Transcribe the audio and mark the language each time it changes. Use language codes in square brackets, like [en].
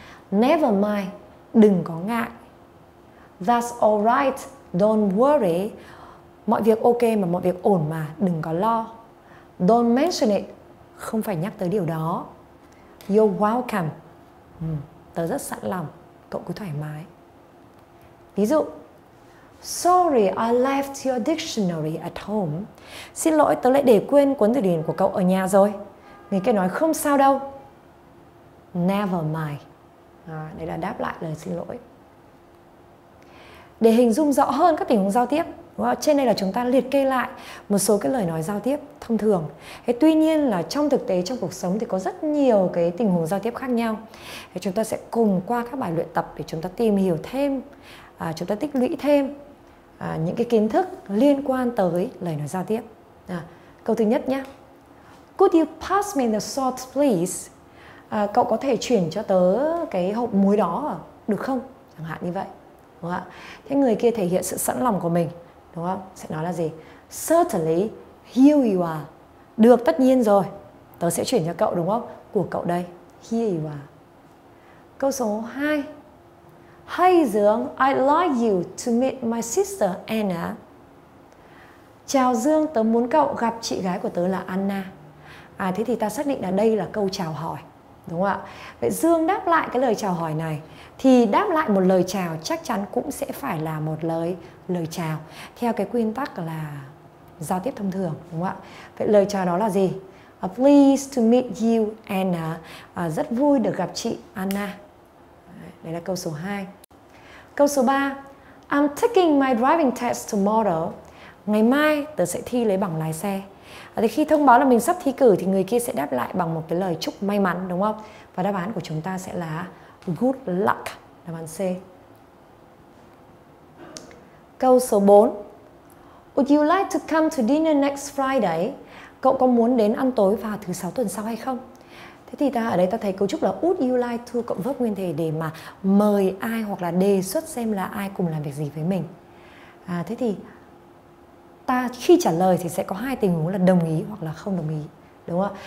[en] Never mind, [vi] đừng có ngại. [en] That's alright, don't worry. [vi] Mọi việc ok mà, mọi việc ổn mà, đừng có lo. [en] Don't mention it, [vi] không phải nhắc tới điều đó. [en] You're welcome, [vi] tớ rất sẵn lòng, cậu cứ thoải mái. Ví dụ, [en] sorry I left your dictionary at home. [vi] Xin lỗi, tớ lại để quên cuốn từ điển của cậu ở nhà rồi. Người kia nói không sao đâu. [en] Never mind. [vi] Đây là đáp lại lời xin lỗi. Để hình dung rõ hơn các tình huống giao tiếp, trên đây là chúng ta liệt kê lại một số cái lời nói giao tiếp thông thường. Thế tuy nhiên là trong thực tế, trong cuộc sống thì có rất nhiều cái tình huống giao tiếp khác nhau. Thế chúng ta sẽ cùng qua các bài luyện tập để chúng ta tìm hiểu thêm, chúng ta tích lũy thêm những cái kiến thức liên quan tới lời nói giao tiếp. Câu thứ nhất nhé. [en] Could you pass me the salt, please? [vi] Cậu có thể chuyển cho tớ cái hộp muối đó được không? Chẳng hạn như vậy. Đúng không? Thế người kia thể hiện sự sẵn lòng của mình, đúng không? Sẽ nói là gì? [en] Certainly, here you are. [vi] Được, tất nhiên rồi. Tớ sẽ chuyển cho cậu, đúng không? Của cậu đây. [en] Here you are. [vi] Câu số 2. [en] Hey Dương, I'd like you to meet my sister Anna. [vi] Chào Dương, tớ muốn cậu gặp chị gái của tớ là Anna. Thế thì ta xác định là đây là câu chào hỏi, đúng không ạ? Vậy Dương đáp lại cái lời chào hỏi này thì đáp lại một lời chào chắc chắn cũng sẽ phải là một lời chào theo cái quy tắc là giao tiếp thông thường, đúng không ạ? Vậy lời chào đó là gì? [en] Pleased to meet you Anna. [vi] Rất vui được gặp chị Anna. Đấy là câu số 2. Câu số 3. [en] I'm taking my driving test tomorrow. [vi] Ngày mai tớ sẽ thi lấy bằng lái xe. Thì khi thông báo là mình sắp thi cử thì người kia sẽ đáp lại bằng một cái lời chúc may mắn, đúng không? Và đáp án của chúng ta sẽ là [en] good luck, [vi] đáp án C. Câu số 4. [en] Would you like to come to dinner next Friday? [vi] Cậu có muốn đến ăn tối vào thứ 6 tuần sau hay không? Thế thì ta ở đây ta thấy cấu trúc là would you like to cộng verb nguyên thể để mà mời ai hoặc là đề xuất xem là ai cùng làm việc gì với mình. Thế thì ta khi trả lời thì sẽ có hai tình huống là đồng ý hoặc là không đồng ý, đúng không?